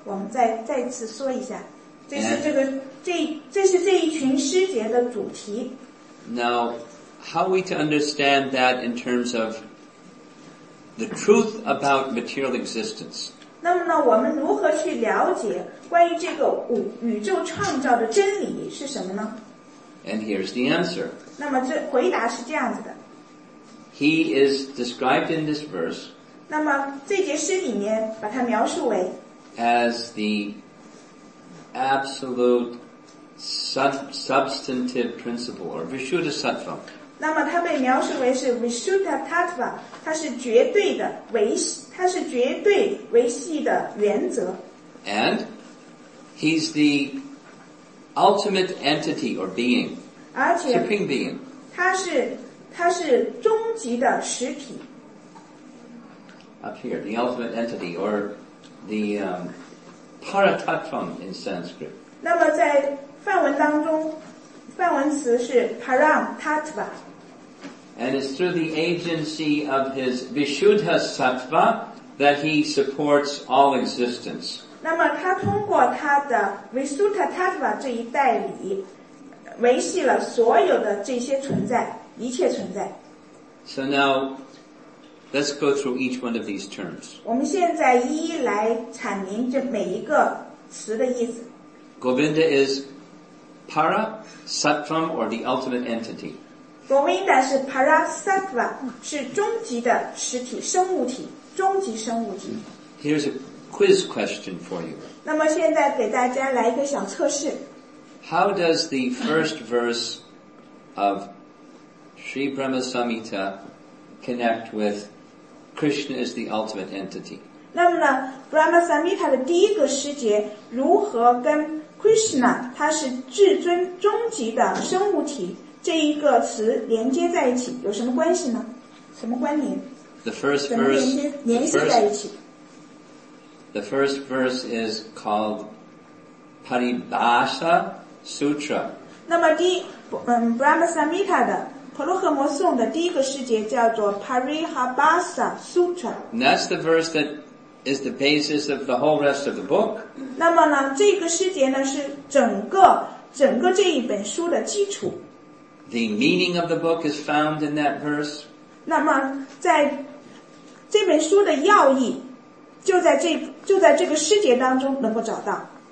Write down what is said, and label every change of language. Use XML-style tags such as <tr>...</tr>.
<zh>我们再次说一下，这是这一群师节的主题。</zh> <en>Now, how we to understand that in terms of the truth about material existence?</en> <zh>那么呢，我们如何去了解关于这个宇宙创造的真理是什么呢？</zh> <en>And here's the answer.</en> <zh>那么这回答是这样子的。</zh> <en>He is described in this verse.</en> <zh>那么这节诗里面把它描述为</zh> <en>as the absolute substantive principle or Vishuddha Sattva.</en> <zh>那么它被描述为是 Vishuddha Tattva， 它是绝对的维，它是绝对维系的原则。</zh> <en>And he's the ultimate entity or being,</en> <zh>而且</zh> <en>supreme being.</en> <zh>它是终极的实体。</zh> <en>Up here, the ultimate entity or the paratattvam in Sanskrit.</en> <zh>那么在梵文当中，梵文词是 paratattva。</zh> <en>And it's through the agency of his Vishuddha Sattva that he supports all existence.</en> <zh>那么他通过他的 Vishuddha Sattva 这一代理，维系了所有的这些存在，一切存在。</zh> <en>So now, let's go through each one of these terms.</en> <zh>我们现在一一来阐明这每一个词的意思。</zh> <en>Govinda is para sattvam or the ultimate entity.</en> <zh>Govinda 是 Parasattva， 是终极的实体生物体，终极生物体。</zh> <en>Here's a quiz question for you.</en> <zh>那么现在给大家来一个小测试。</zh> <en>How does the first verse of Sri Brahma Samhita connect with Krishna as the ultimate entity?</en> <zh>那么呢 ，Brahma Samhita 的第一个诗节如何跟 Krishna 他是至尊终极的生物体？这一个词连接在一起有什么关系呢？什么关联？</zh> <en>The first verse,</en> <zh>怎么连接在一起？</zh> <en>The first verse is called Paribhasa Sutra.</en> <zh>那么第Brahma Samhita 的婆罗诃摩颂的第一个诗节叫做 Paribhasa Sutra.</zh> <en>And that's the verse that is the basis of the whole rest of the book.</en> <zh>那么呢，这个诗节呢是整个这一本书的基础。</zh> <en>The meaning of the book is found in that verse.</en> <zh>那么在这本书的要义就在这个诗节当中能够找到。</zh>